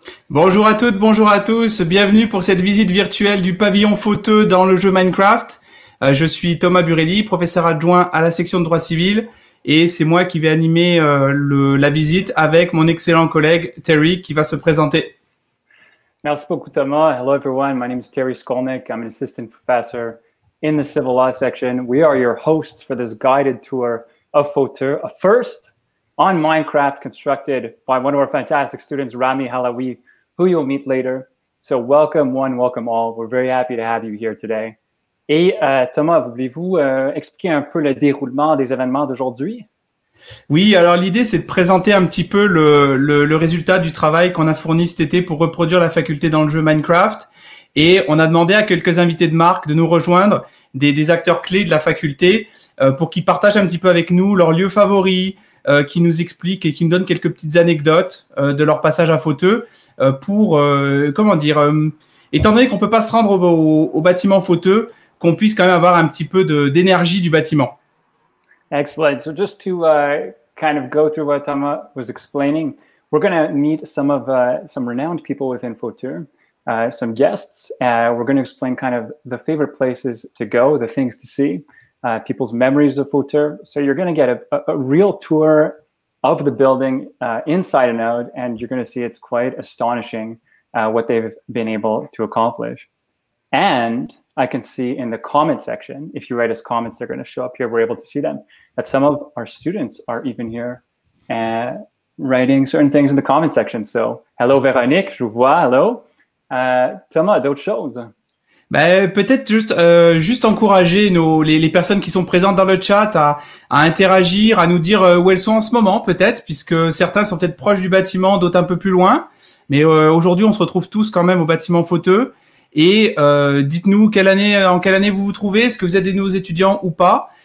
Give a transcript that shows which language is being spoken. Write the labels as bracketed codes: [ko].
[fr] Bonjour à toutes, bonjour à tous, bienvenue pour cette visite virtuelle du pavillon photo dans le jeu Minecraft. Je suis Thomas Burelli, professeur adjoint à la section de droit civil, et c'est moi qui vais animer la visite avec mon excellent collègue Terry qui va se présenter. Merci beaucoup Thomas. [en] Hello everyone, my name is Terry Skolnick. I'm an assistant professor in the civil law section. We are your hosts for this guided tour of photo, a first on Minecraft constructed by one of our fantastic students, Rami Halawi, who you'll meet later. So welcome one, welcome all. We're very happy to have you here today. [fr] Et Thomas, voulez-vous expliquer un peu le déroulement des événements d'aujourd'hui? Oui, alors l'idée, c'est de présenter un petit peu le résultat du travail qu'on a fourni cet été pour reproduire la faculté dans le jeu Minecraft. Et on a demandé à quelques invités de marque de nous rejoindre, des acteurs clés de la faculté, pour qu'ils partagent un petit peu avec nous leurs lieux favoris, qui nous expliquent et qui nous donnent quelques petites anecdotes de leur passage à Fauteux. Étant donné qu'on peut pas se rendre au bâtiment Fauteux, qu'on puisse quand même avoir un petit peu d'énergie du bâtiment. Excellent. [en] So just to kind of go through what Thomas was explaining, we're going to meet some renowned people within Fauteux, some guests. We're going to explain kind of the favorite places to go, the things to see, people's memories of Fauteux. So you're going to get a real tour of the building inside and out, and you're gonna see it's quite astonishing what they've been able to accomplish. And I can see in the comment section, if you write us comments, they're gonna show up here, we're able to see them, that some of our students are even here writing certain things in the comment section. So, hello [fr] Véronique, je vois, hello. Thomas, d'autres choses? Ben, peut-être juste encourager les personnes qui sont présentes dans le chat à interagir, à nous dire où elles sont en ce moment peut-être, puisque certains sont peut-être proches du bâtiment, d'autres un peu plus loin. Mais aujourd'hui, on se retrouve tous quand même au bâtiment Fauteux. Et dites-nous en quelle année vous vous trouvez, est-ce que vous êtes des nouveaux étudiants ou pas.